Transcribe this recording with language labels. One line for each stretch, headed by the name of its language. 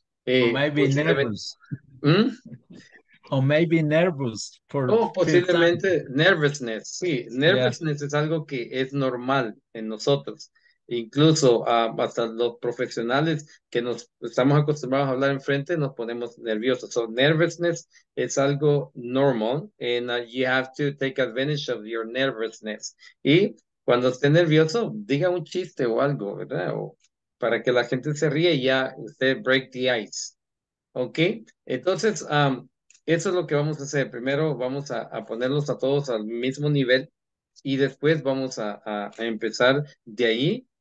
Spanish: Posiblemente nervousness, sí, nervousness, yeah. Es algo que es normal en nosotros, incluso hasta los profesionales que nos estamos acostumbrados a hablar enfrente nos ponemos nerviosos.
English: So nervousness
Spanish: es algo normal,
English: and you have to take advantage of your nervousness.
Spanish: Y cuando esté nervioso, diga un chiste o algo, ¿verdad? O para que la gente se ríe y ya usted
English: break the ice,
Spanish: ¿ok? Entonces, eso es lo que vamos a hacer. Primero vamos a ponerlos a todos al mismo nivel y después vamos a empezar de ahí.